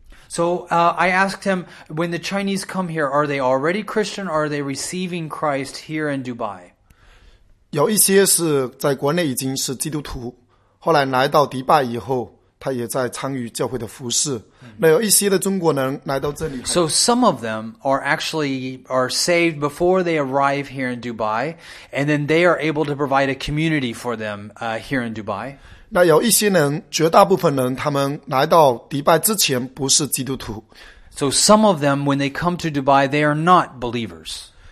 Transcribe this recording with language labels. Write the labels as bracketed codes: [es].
[en] So, I asked him, when the Chinese come here, are they already Christian, or are they receiving Christ here in Dubai? [zh] 有一些是在国内已经是基督徒，后来来到迪拜以后。他也在参与教会的服侍。那有一些的中国人来到这里。So [en] some of them are saved before they arrive here in Dubai, and then they are able to provide a community for them here in Dubai. [zh] 那有一些人，绝大部分人，他们来到迪拜之前不是基督徒。So [en] some of them, when they come to Dubai, they are not believers.